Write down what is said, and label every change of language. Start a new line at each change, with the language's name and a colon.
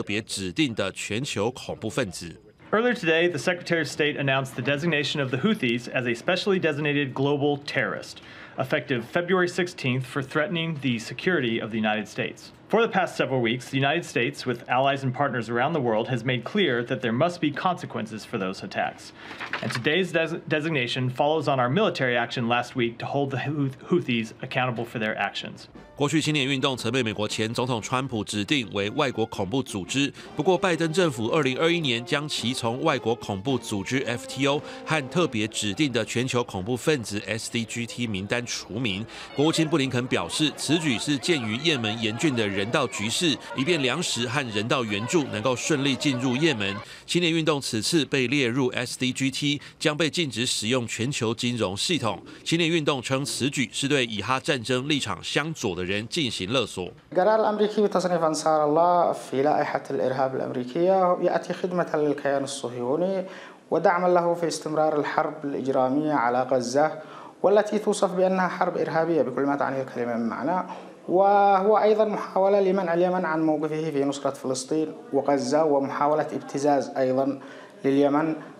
Chinese: 为了支持加萨、也门叛军青年运动过去两个多月持续攻击以色列相关船只，当地十六号又传出有悬挂南欧国家马耳他国旗的希腊籍货船从越南要前往以色列时，在红海南部海域距离也门萨利夫港西北方76海里处遭到青年运动的飞弹攻击。鉴于中东局势持续升高，美国国务院宣布重新将青年运动列为特别指定的全球恐怖分子。
English: Earlier today, the Secretary of State announced the designation of the Houthis as a specially designated global terrorist, effective February 16th for threatening the security of the United States. For the past several weeks, the United States, with allies and partners around the world, has made clear that there must be consequences for those attacks. And today's designation follows on our military action last week to hold the Houthis accountable for their actions.
Chinese: 过去青年运动曾被美国前总统川普指定为外国恐怖组织，不过拜登政府2021年将其从外国恐怖组织 FTO 和特别指定的全球恐怖分子 SDGT 名单除名。国务卿布林肯表示，此举是鉴于也门严峻的人道局势，以便粮食和人道援助能够顺利进入也门。青年运动此次被列入 SDGT， 将被禁止使用全球金融系统。青年运动称，此举是对以哈战争立场相左的人进行
Arabic: قرار الأمريكي بتصنيف أنصار الله في لائحة الإرهاب الأمريكية يأتي خدمة للكيان الصهيوني ودعما له في استمرار الحرب الإجرامية على غزة والتي توصف بأنها حرب إرهابية بكل ما تعنيه الكلمة من معنى وهو أيضا محاولة لمنع اليمن عن موقفه في نصرة فلسطين وغزة ومحاولة ابتزاز أيضا لليمن